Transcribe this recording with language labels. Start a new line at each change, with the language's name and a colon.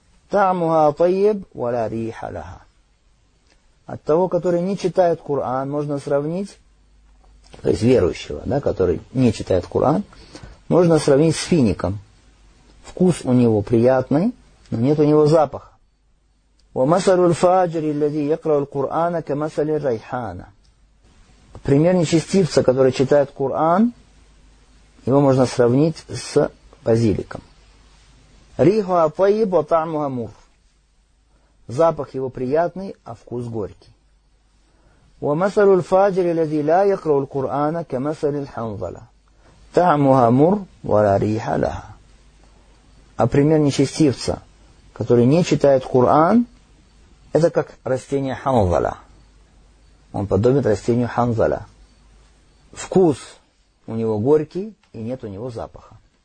Arabic: «Та'муха тайиб, валя риха лаха».
Russian: От того, который не читает Кур'ан, можно сравнить, то есть верующего, да, который не читает Кур'ан, можно сравнить с фиником. Вкус у него приятный, но нет у него запаха.
Arabic: ومثل الفاجر الذي يقرأ القرآن كمثل الريحانة.
Russian: Пример нечестивца, который читает Коран, его можно сравнить с базиликом.
Arabic: Риха тайб ва тамуха мур.
Russian: Запах его приятный, а вкус горький.
Arabic: ومثل الفاجر الذي لا يقرأ القرآن كمثل الحنظلة. Тамуха мур ва ла риха ляха.
Russian: А пример нечестивца, который не читает Коран, это как растение ханзала. Он подобен растению ханзала. Вкус у него горький и нет у него запаха.